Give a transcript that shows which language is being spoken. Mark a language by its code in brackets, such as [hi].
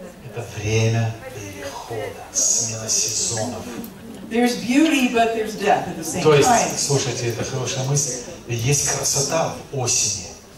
[ru] Это время перехода, смена сезонов. [en] There's beauty, but there's death at the same [ru] То есть, [en] time. [ru] Слушайте, это хорошая мысль. Есть красота в осени.